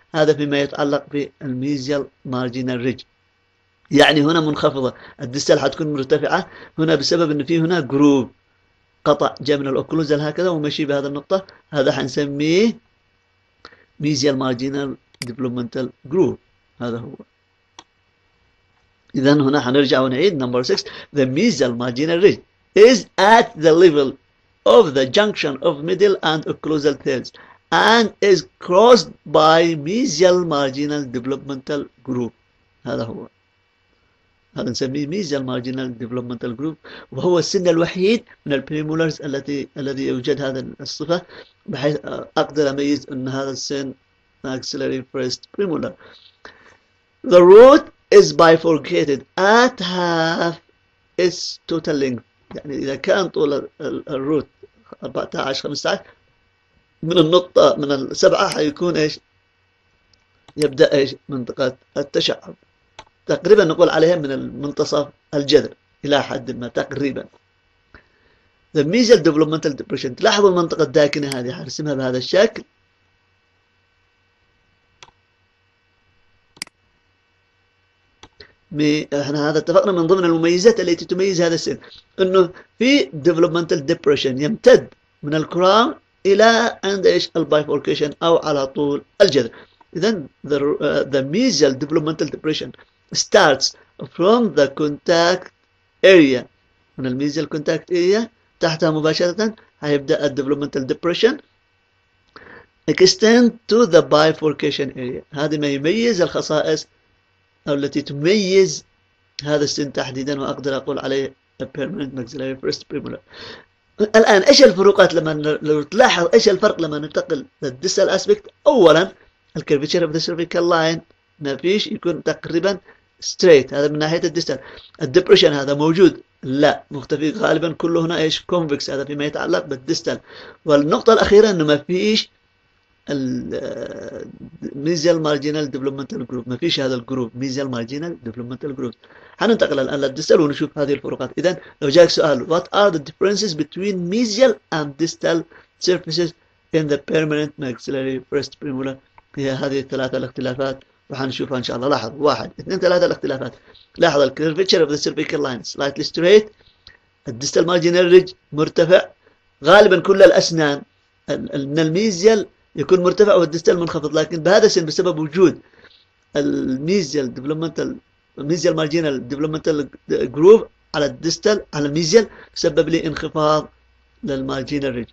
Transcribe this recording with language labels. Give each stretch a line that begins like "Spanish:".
Arabic: هذا فيما يتعلق بالميزيال مارجينال ريدج. يعني هنا منخفضه، الدستال حتكون مرتفعه هنا بسبب ان في هنا جروب قطع جاء من الاوكلوزال هكذا ومشي بهذه النقطه، هذا حنسميه ميزيال مارجينال ديبلومنتال جروب. هذا هو. إذا هنا حنرجع ونعيد. نمبر 6.
English: The mesial marginal ridge is at the level of the junction of middle and occlusal thirds and is crossed by mesial marginal developmental group.
Arabic: هذا هو. هذا نسميه
English: mesial marginal developmental group،
Arabic: وهو السن الوحيد من البريمولرز الذي يوجد هذا الصفة، بحيث أقدر أميز أن هذا السن
English: axillary first premolar. The root is bifurcated at half its total length.
Arabic: يعني إذا كان طول الروت 14 15 من النقطة من السبعة حيكون إيش؟ يبدأ إيش؟ منطقة التشعب. تقريبا نقول عليها من المنتصف الجذر إلى حد ما تقريبا.
English: The mesial developmental depression،
Arabic: لاحظوا المنطقة الداكنة هذه هرسمها بهذا الشكل. احنا هذا اتفقنا من ضمن المميزات التي تميز هذا السن، انه في
English: developmental depression
Arabic: يمتد من الكراون الى عند ايش؟ البايفوركيشن او على طول الجذر. اذا
English: the mesial developmental depression starts from the contact area،
Arabic: من الميزيال contact area تحتها مباشره هيبدا
English: developmental depression extend to the bifurcation area.
Arabic: هذه ما يميز الخصائص أو التي تميز هذا السن تحديدا، وأقدر أقول عليه
English: permanent maxillary first premolar.
Arabic: الآن إيش الفروقات لما لو تلاحظ إيش الفرق لما ننتقل للديسال أسبكت؟ أولا الكيرفيتشر أوف ذا سيرفيكال لاين ما فيش، يكون تقريبا ستريت، هذا من ناحية الديسال. الدبريشن هذا موجود؟ لا، مختفي غالبا كله هنا إيش؟ كونفكس، هذا فيما يتعلق بالديسال. والنقطة الأخيرة إنه ما فيش الميزيال مارجينال ديفلوبمنتال جروب، ما فيش هذا الجروب ميزيال مارجينال ديفلوبمنتال جروب. حننتقل الان للديستال ونشوف هذه الفروقات. اذا لو جاك سؤال
English: What are the differences between mesial and distal surfaces in the permanent maxillary first premolar.
Arabic: هي هذه الثلاثة الاختلافات راح نشوفها إن شاء الله. لاحظ واحد اثنين ثلاثة الاختلافات. لاحظ ال
English: curvature of the cervical line slightly straight.
Arabic: ال
English: distal marginal ridge
Arabic: مرتفع. غالبا كل الأسنان من الميزيال يكون مرتفع والديستال منخفض، لكن بهذا السن بسبب وجود الميزيال ديفلوبمنتال ميزيال مارجينال ديفلوبمنتال جروف على الديستال على الميزيال سبب لي انخفاض للمارجينال ريج.